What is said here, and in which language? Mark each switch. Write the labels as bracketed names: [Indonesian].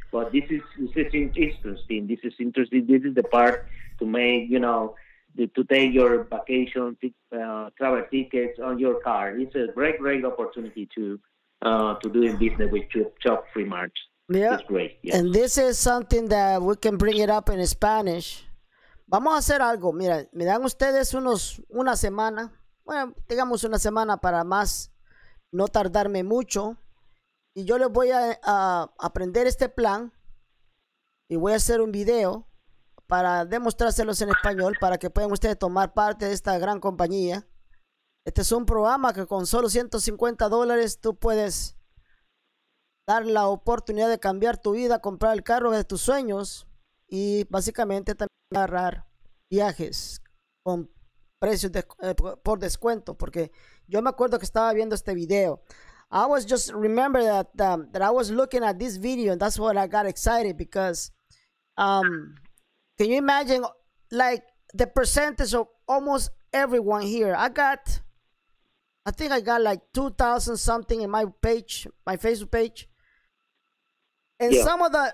[English] But this is interesting. This is interesting. This is the part to make, you know, to take your vacation, travel tickets on your car. It's a great, great opportunity to do in business with Chop Free March. Yeah. It's great. Yes. And this is something that we can bring it up in Spanish. [Spanish] Vamos a hacer algo. Mira, me dan ustedes una semana. Bueno, digamos una semana para más no tardarme mucho. Y yo les voy a aprender este plan y voy a hacer un video para demostrárselos en español para que puedan ustedes tomar parte de esta gran compañía. Este es un programa que con solo $150 tú puedes dar la oportunidad de cambiar tu vida, comprar el carro de tus sueños y básicamente también agarrar viajes con precios por descuento, porque yo me acuerdo que estaba viendo este video. [English] I was just remember that I was looking at this video, and that's what I got excited because, can you imagine, like, the percentage of almost everyone here? I think I got like 2,000 something in my page, my Facebook page. And yeah.